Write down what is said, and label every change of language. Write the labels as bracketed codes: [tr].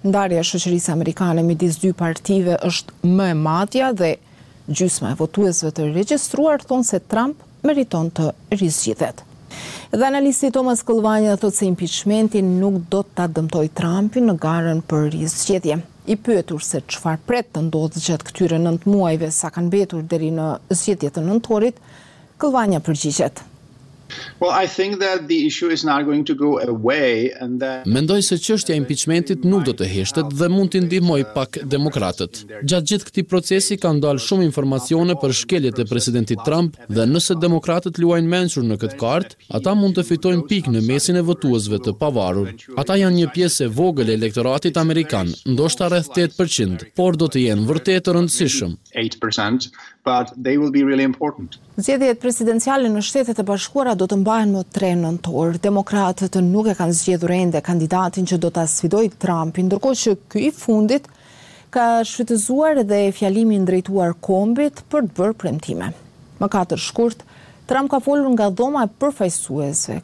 [sq] Ndarja e shoqërisë amerikane midis dy partive është më e madhja dhe gjysma e votuesve të regjistruar thonë se Trump meriton të rizgjidhet. Dhe analisti Thomas Kalvanian thotë se impeachmenti nuk do ta dëmtojë Trumpin në garën për rizgjedhje. I pyetur se çfarë pret të ndodhë gjatë këtyre 9 muajve sa kanë mbetur deri në zgjedhjet të nëntorit, Kalvanian përgjigjet: [en] Well, I think that the issue is not going to go away and that [sq] Mendoj se çështja e impeachmentit nuk do të heshtet dhe mund t'i ndihmojë pak demokratët. Gjatë gjithë këtij procesi kanë dalë shumë informacione për shkeljet e presidentit Trump dhe nëse demokratët luajnë mençur në këtë kartë, ata mund të fitojnë pikë në mesin e votuesve të pavarur. Ata janë një pjesë e vogël e elektoratit amerikan, ndoshta rreth 8%, por do të jenë vërtet të rëndësishëm. [en] 8%, but they will be really important. [sq] Zgjedhjet presidenciale në Shtetet e Bashkuara do të mbahen më 3 nëntor. Demokratët nuk e kanë zgjedhur ende kandidatin që do ta sfidojë Trumpin, ndërkohë që ky i fundit ka shfrytëzuar edhe fjalimin drejtuar kombit për të bërë premtime. Më katër shkurt, Trump ka folur nga dhoma e përfaqësuesve.